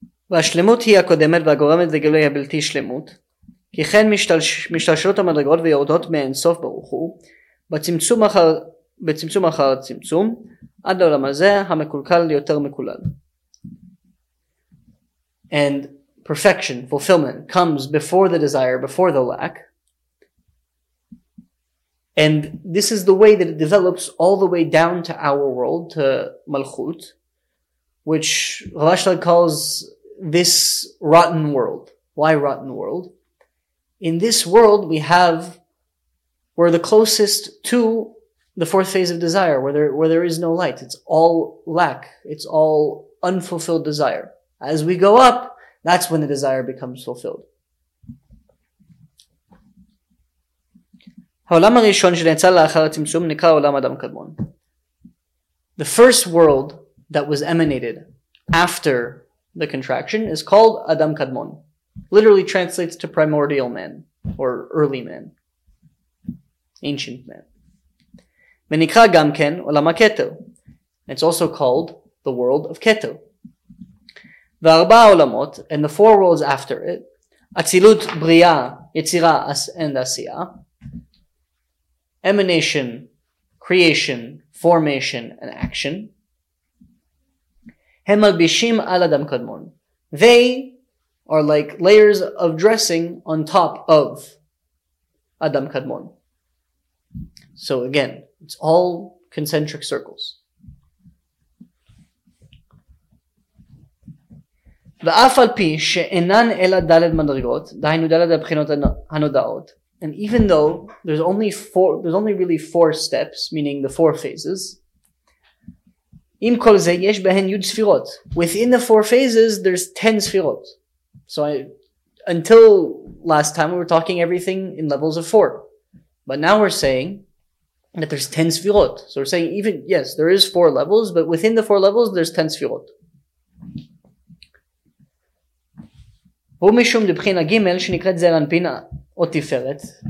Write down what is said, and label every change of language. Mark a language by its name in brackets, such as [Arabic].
[Hebrew] והשלמות היא הקודמת והגורמת לגילוי הבלתי שלמות, כי כן משתלשלות המדרגות ויורדות מאינסוף ברוך הוא, בצמצום אחר צמצום, עד לעולם הזה המקולקל יותר מקולל. [English] And perfection, fulfillment, comes before the desire, before the lack. And this is the way that it develops all the way down to our world, to Malchut, which Rav Ashlag calls this rotten world. Why rotten world? In this world, we're the closest to the fourth phase of desire, where there is no light. It's all lack. It's all unfulfilled desire. As we go up, that's when the desire becomes fulfilled. [Hebrew] העולם הראשון שנצא לאחר הצמצום נקרא עולם אדם קדמון. [English] The first world that was emanated after the contraction is called Adam Kadmon. Literally translates to primordial man or early man. Ancient man. [Hebrew] ונקרא גם כן עולם הכתר. [English] It's also called the world of Keter. [Hebrew] וארבע העולמות, [English] and the four worlds after it, אצילות, בריאה, יצירה, and עשייה, emanation, creation, formation, and action. [Hebrew] הם מלבישים על אדם קדמון. [English] They are like layers of dressing on top of אדם קדמון. So again, it's all concentric circles. [Hebrew] ואף על פי שאינן אלא דלת מדרגות, דהיינו דלת הבחינות הנודעות, [English] and even though there's only really four steps, meaning the four phases, [Hebrew] im kol ze yesh behen yud sfirot, [English] within the four phases there's 10 sfirot. So until last time we were talking everything in levels of four, but now we're saying that there's 10 sfirot. So we're saying even yes, there is four levels, but within the four levels there's 10 sfirot. [Hebrew] ומשום דבחינה ג' שנקראת זרן פינה או תפארת.